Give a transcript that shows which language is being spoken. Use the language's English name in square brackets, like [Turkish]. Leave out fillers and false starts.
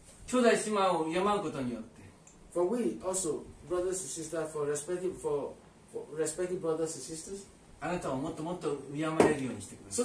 [Japanese] 兄弟姉妹を敬うことによって。 [English] For we also brothers and sisters for respecting brothers and sisters. [Japanese] あなたをもっともっと敬えるようにしてください。